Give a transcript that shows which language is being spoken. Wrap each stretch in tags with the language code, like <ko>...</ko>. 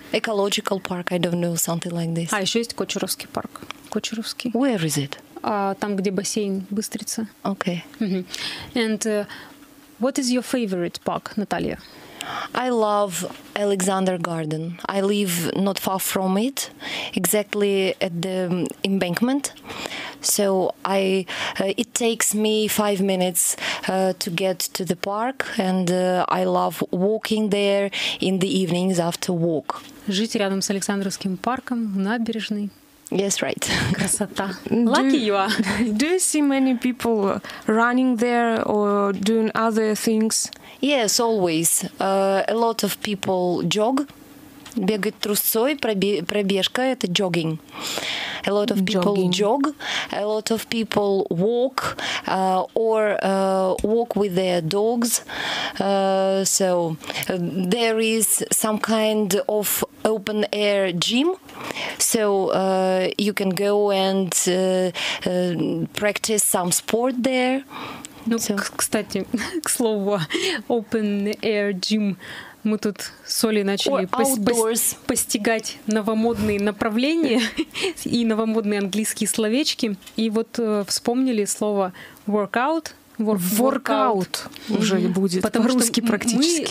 <en>Ecological Park, I don't know, something like this.</en> <ru>А, еще есть Кочуровский парк. Кочуровский.</ru> <en>Where is it?</en> <ru>Там, где бассейн Быстрица.</ru> <en>Okay. Mm-hmm. And what is your favorite park, Наталья? I love Alexander Garden. I live not far from it, exactly at the embankment. So I, it takes me 5 minutes to get to the park, and I love walking there in the evenings after work.</en> <ru>Жить рядом с Александровским парком, набережной.</ru> <en>Yes, right.</en> <ru>Красота.</ru> <en>Lucky you are. Do you see many people running there or doing other things? Yes, always. A lot of people jog.</en> <ru>Бегать трусцой, пробежка – это</ru> <en>jogging. A lot of people jog. A lot of people walk or walk with their dogs. So there is some kind of open air gym. So you can go and practice some sport there.</en> <ru>Ну, so. Кстати, к слову,</ru> <en>open air gym.</en> <ru>Мы тут с Олей начали постигать новомодные направления и новомодные английские словечки. И вот вспомнили слово workout. Workout уже будет по-русски практически.</ru>